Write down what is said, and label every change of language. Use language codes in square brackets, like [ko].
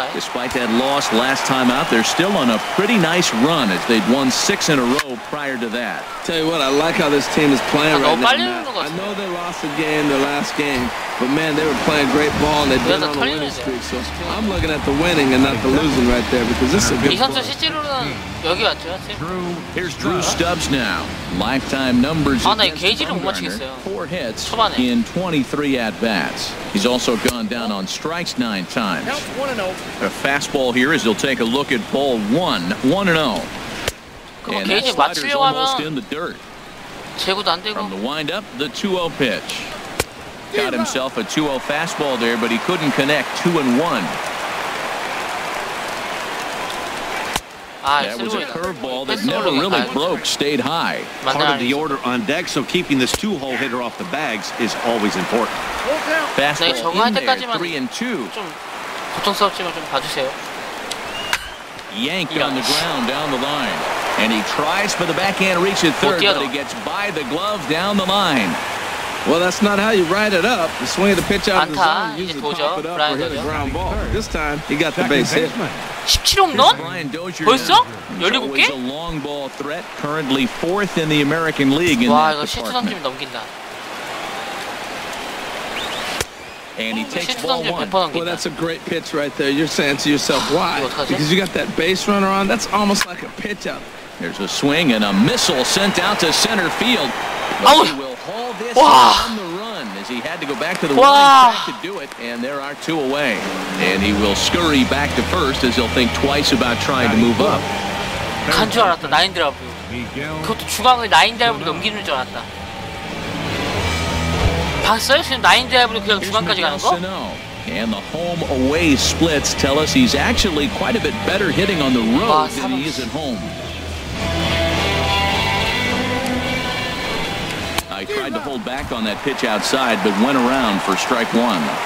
[en] Despite that loss last time out, they're still on a pretty nice run as they'd won six in a row prior to that. Tell you what, I like how this team is playing right now. [ko] 너무 빨리 하는 거 같아. [en] I know they lost a game the last game, but man, they were playing great ball and they've been on a winning streak. So I'm looking at the winning and not the losing right there because this is a good. [ko] 이 선수 실제로는 여기 왔죠, 지금. [en] Here's Drew Stubbs now. Lifetime numbers. [ko] 아, 나 게이지를 못 맞추겠어요. [en] Four hits in 23 at bats. He's also gone down on strikes nine times. A fastball here as he'll take a look at ball one. 1-0. [ko] 그럼 게이지 맞추려고 하면 제구도 안 되고. [en] From the windup, the 2-0 pitch. Got himself a 2-0 fastball there, but he couldn't connect. 2-1. That was a curveball that never really broke, stayed high. Part of the order on deck, so keeping this two-hole hitter off the bags is always important. Fastball in there, 3-2. [ko] 좀 고통스럽지만 좀 봐주세요. [en] Yanked on the ground down the line. And he tries for the backhand reach at third, but he gets by the glove down the line. Well, that's not how you ride it up. The swing of the pitch out of the zone, use it to pop it up or hit a ground ball. This time, he got the base hit. [ko] 17홈 넌? 벌써? 17개? 와, 이거 실투 던짐 넘긴다. [en] And he takes ball one. Well, that's a great pitch right there. You're saying to yourself, why? Because you got that base runner on. That's almost like a pitch up. There's a swing and a missile sent out to center field. But he will haul this on the run as he had to go back to the warning track to do it. And there are two away. And he will scurry back to first as he'll think twice about trying to move up. [ko] 간 줄 알았다, 나인 드라이브. 그것도 주광을 나인 드라이브로 넘기는 줄 알았다. 봤어요? 지금 나인 드라이브로 그냥 주광까지 가는 거? [en] And the home away splits tell us he's actually quite a bit better hitting on the road than he is at home. I tried to hold back on that pitch outside, but went around for strike one.